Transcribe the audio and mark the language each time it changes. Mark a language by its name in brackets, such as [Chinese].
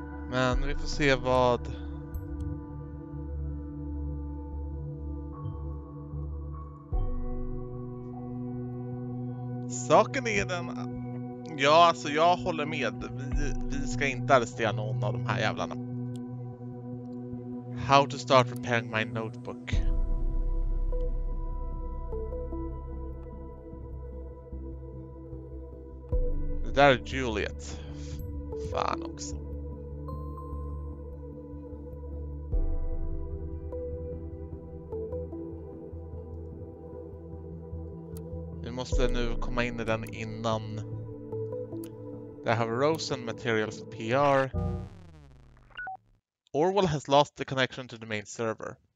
[Swedish] Men vi får se vad... Saken är den... Ja, alltså jag håller med. Vi ska inte arrestera någon av de här jävlarna. [English] How to start repairing my notebook. [Swedish] Det där är Juliet. Fan också. Vi måste nu komma in i den innan... [English] They have Rosen materials for PR. Orwell has lost the connection to the main server.